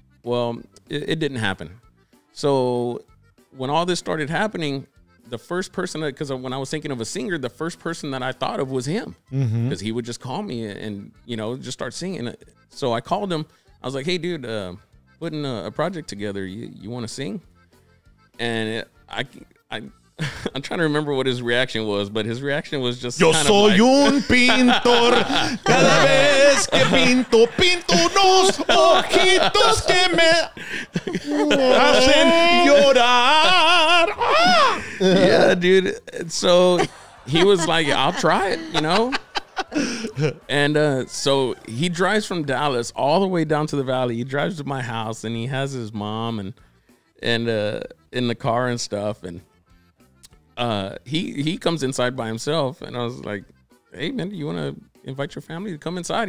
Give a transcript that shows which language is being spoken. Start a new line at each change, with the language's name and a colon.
English: Well, it didn't happen. So when all this started happening, the first person, because when I was thinking of a singer, the first person that I thought of was him. Because mm-hmm. he would just call me and, you know, just start singing. So I called him. I was like, hey, dude, putting a project together, you want to sing? And I'm trying to remember what his reaction was, but his reaction was just
Spanish: yo
English: kind
Spanish: soy
English: of like,
Spanish: un pintor cada vez que pinto pinto unos ojitos que me hacen llorar.
English: Yeah, dude. So he was like, I'll try it, you know? And so he drives from Dallas all the way down to the valley. He drives to my house and he has his mom and in the car and stuff, and he comes inside by himself, and I was like, hey man, you want to invite your family to come inside?